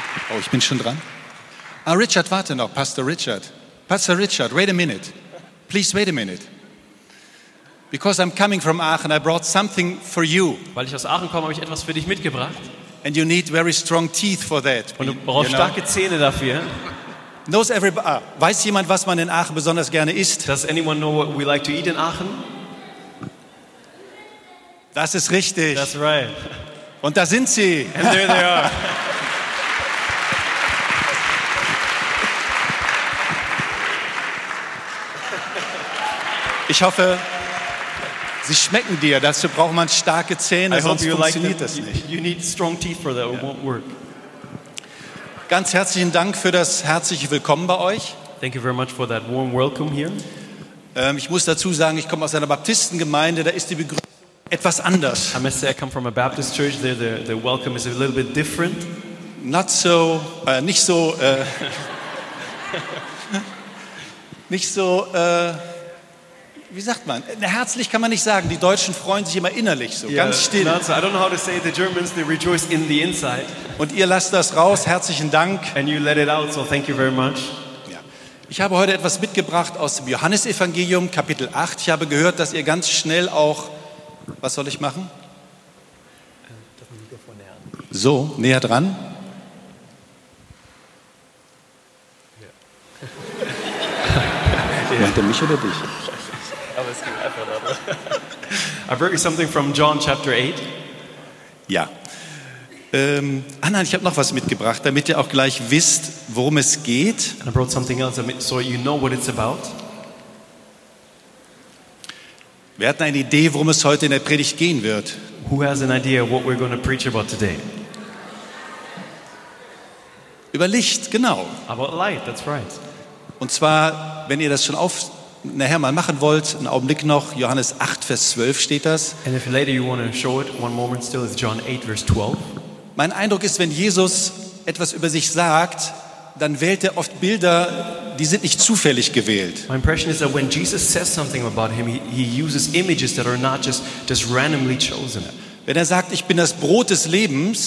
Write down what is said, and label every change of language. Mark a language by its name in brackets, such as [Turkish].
[German] Oh, ich bin schon dran. Ah, Richard, warte noch, Pastor Richard. [English] Pastor Richard, wait a minute. Please wait a minute. Because I'm coming from Aachen, I brought something for you. [German] Weil ich aus Aachen komme, habe ich etwas für dich mitgebracht. [English] And you need very strong teeth for that. [German] Und du brauchst [English] you know? [German] Starke Zähne dafür. [English] Knows everybody, [German] weiß jemand, was man in Aachen besonders gerne isst? [English] Does anyone know what we like to eat in Aachen? [German] Das ist richtig. [English] That's right. [German] Und da sind sie. [English] And there they are. [German] Ich hoffe, sie schmecken dir. Dazu braucht man starke Zähne, sonst funktioniert das nicht. [English] You need strong teeth for that. It won't work. [German] Ganz herzlichen Dank für das herzliche Willkommen bei euch. [English] Thank you very much for that warm welcome here. [German] Ich muss dazu sagen, ich komme aus einer Baptistengemeinde, da ist die Begrüßung etwas anders. [English] I must say I come from a Baptist church. There, the welcome is a little bit different. Not so, [German] nicht so, nicht so. Wie sagt man? Herzlich kann man nicht sagen. Die Deutschen freuen sich immer innerlich so, ganz still. [English] Not so. I don't know how to say it. The Germans, they rejoice in the inside. [German] Und ihr lasst das raus. Herzlichen Dank. [English] And you let it out, so thank you very much. [German] Ja. Ich habe heute etwas mitgebracht aus dem Johannesevangelium, Kapitel 8. Ich habe gehört, dass ihr ganz schnell auch, was soll ich machen? So, näher dran. Ja. Ja. Meint er mich oder dich? [English] I brought you something from John chapter 8. [German] Ja. Nein, ich habe noch was mitgebracht, damit ihr auch gleich wisst, worum es geht. [English] And I brought something else so you know what it's about. [German] Wir hatten eine Idee, worum es heute in der Predigt gehen wird. [English] Who has an idea what we're going to preach about today? [German] Über Licht, genau. [English] About light, that's right. [German] Und zwar, wenn ihr das schon auf nachher mal machen wollt, einen Augenblick noch, Johannes 8, Vers 12 steht das. [English] And if later you want to show it, one moment still, it's John 8, verse 12. [German] Mein Eindruck ist, wenn Jesus etwas über sich sagt, dann wählt er oft Bilder, die sind nicht zufällig gewählt. [English] My impression is that when Jesus says something about him, he uses images that are not just randomly chosen. [German] Wenn er sagt, ich bin das Brot des Lebens,